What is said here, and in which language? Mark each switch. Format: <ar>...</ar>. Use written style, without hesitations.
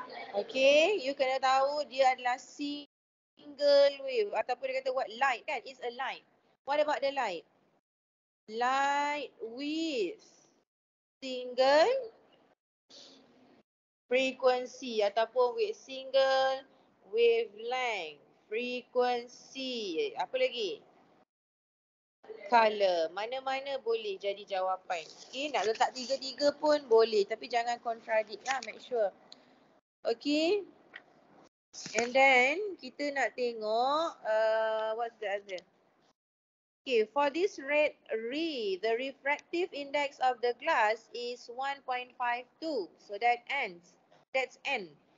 <en>Okay, you</en> <ms>kena tahu dia adalah</ms> <en>single wave</en> <ms>ataupun dia kata</ms> <en>what light kan? It's a light. What about the light? Light with single frequency ataupun with single wavelength frequency.</en> <ms>Apa lagi? Color. Mana-mana boleh jadi jawapan. Okay, nak letak tiga-tiga pun boleh tapi jangan contradict lah,</ms> <en>make sure. Okay, and then</en> <ms>kita nak tengok</ms> <en>what's the other. Okay, for this red ray, the refractive index of the glass is 1.52. So that ends. That's n.</en>